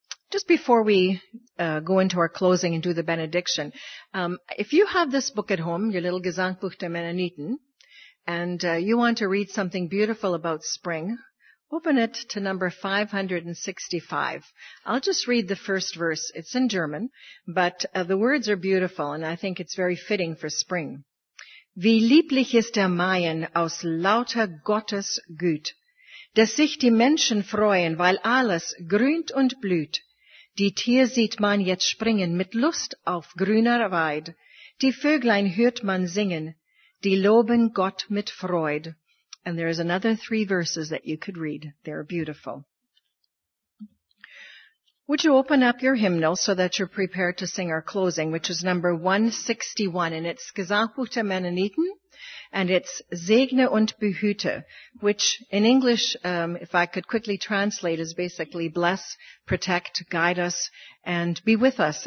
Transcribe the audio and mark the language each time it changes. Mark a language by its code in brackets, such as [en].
[en] Just before we go into our closing and do the benediction, if you have this book at home, your little Gesangbuch der Mennoniten, and you want to read something beautiful about spring, open it to number 565. I'll just read the first verse. It's in German, but the words are beautiful, and I think it's very fitting for spring. [de] Wie lieblich ist der Maien aus lauter Gottes Güte, dass sich die Menschen freuen, weil alles grünt und blüht. Die Tier sieht man jetzt springen mit Lust auf grüner Weide. Die Vöglein hört man singen, die loben Gott mit Freude. [en] And there is another three verses that you could read. They're beautiful. Would you open up your hymnal so that you're prepared to sing our closing, which is number 161, and it's Gesangbuch der Mennoniten, and it's Segne und Behüte, which in English, if I could quickly translate, is basically bless, protect, guide us, and be with us.